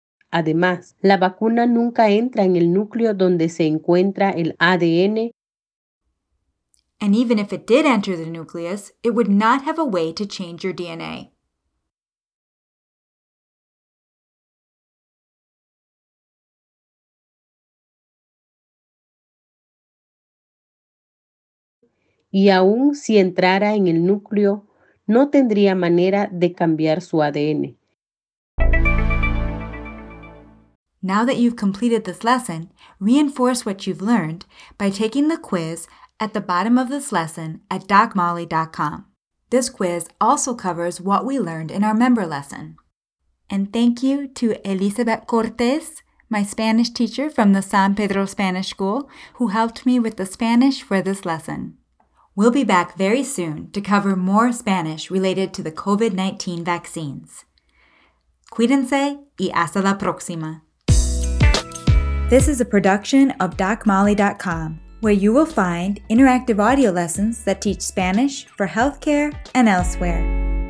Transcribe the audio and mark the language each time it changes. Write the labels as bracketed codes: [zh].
[es] Además, la vacuna nunca entra en el núcleo donde se encuentra el ADN. [en] And even if it did enter the nucleus, it would not have a way to change your DNA. [es] Y aún si entrara en el núcleo, no tendría manera de cambiar su ADN. [en] Now that you've completed this lesson, reinforce what you've learned by taking the quiz at the bottom of this lesson at DocMolly.com. This quiz also covers what we learned in our member lesson. And thank you to Elizabeth Cortez, my Spanish teacher from the San Pedro Spanish School, who helped me with the Spanish for this lesson. We'll be back very soon to cover more Spanish related to the COVID-19 vaccines. [es] Cuídense y hasta la próxima. [en] This is a production of DocMolly.com, where you will find interactive audio lessons that teach Spanish for healthcare and elsewhere.